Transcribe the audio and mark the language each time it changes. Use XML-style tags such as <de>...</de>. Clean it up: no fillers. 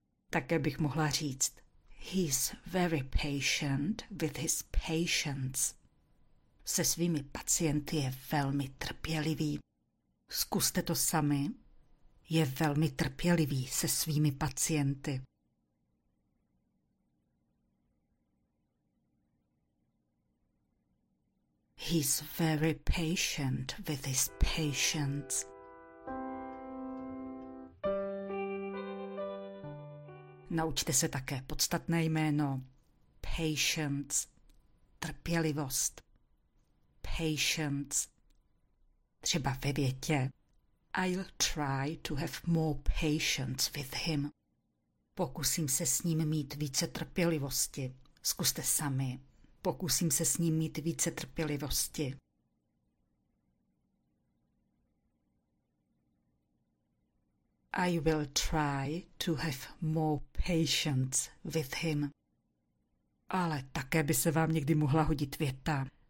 <cs>Také bych mohla říct,</cs> <en>he's very patient with his patients.</en> <cs>Se svými pacienty je velmi trpělivý. Zkuste to sami. Je velmi trpělivý se svými pacienty.</cs> <en>He's very patient with his patients.</en> <cs>Naučte se také podstatné jméno patience, trpělivost. Patience. Třeba ve větě</cs> <en>I'll try to have more patience with him.</en> <cs>Pokusím se s ním mít více trpělivosti. Zkuste sami. Pokusím se s ním mít více trpělivosti.</cs> <en>I will try to have more patience with him.</en> <cs>Ale také by se vám někdy mohla hodit věta.</cs>